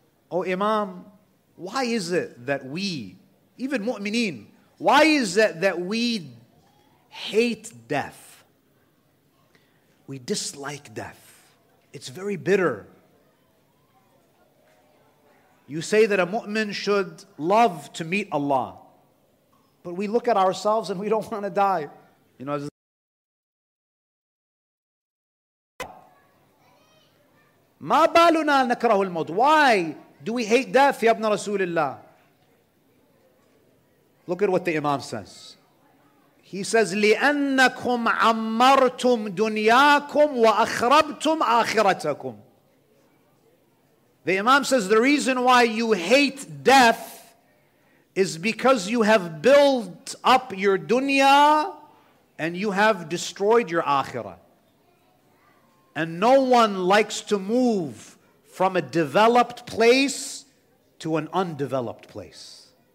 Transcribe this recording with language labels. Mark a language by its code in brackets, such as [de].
[en] O Imam, why is it that we, even mu'mineen, why is it that we hate death? We dislike death. It's very bitter. You say that a mu'min should love to meet Allah. But we look at ourselves and we don't want to die. You know, [ar] ما بالنا نكره الموت. [en] Why do we hate death, Ya ibn Rasulullah? Look at what the Imam says. He says, [ar] لِأَنَّكُمْ عَمَّرْتُمْ دُنْيَاكُمْ وَأَخْرَبْتُمْ آخِرَتَكُمْ. [en] The Imam says, the reason why you hate death is because you have built up your dunya and you have destroyed your akhirah. And no one likes to move from a developed place to an undeveloped place.